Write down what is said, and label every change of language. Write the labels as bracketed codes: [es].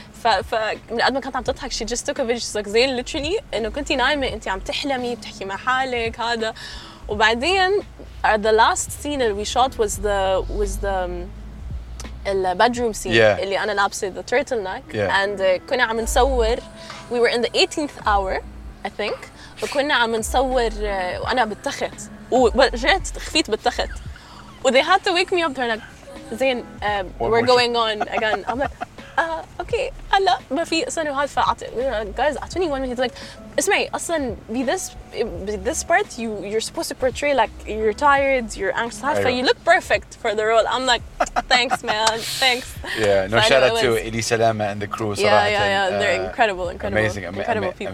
[ar] من قد ما كنت عم تضحك, [en] she just took a video. She's like, [ar] زين, [en] literally, [ar] إنه كنتي نايمة, أنت عم تحلمي, بتحكي مع حالك هذا. وبعدين, [en] the last scene that we shot was the the bedroom scene, yeah. [ar] اللي أنا لابسة [en] the turtleneck, yeah. And [ar] كنا عم نصور, [en] we were in the 18th hour, I think, [ar] وكنا عم نصور وأنا بالتخت, ورجعت خفيت بالتخت, [en] and they had to wake me up. They're like, زين, we're going on again. I'm like, okay, [ar] هلا ما في أصلاً وهذا فاعت, [en] guys, [ar] أعطوني [en] 1 minute. He's like, [ar] اسمعي, أصلاً [en] be this part, you're supposed to portray like you're tired, you're anxious, half, so you look perfect for the role. I'm like, thanks, man, thanks. Yeah, no, shout out to Eli Salama and the crew. Yeah, they're incredible, incredible, amazing, incredible people.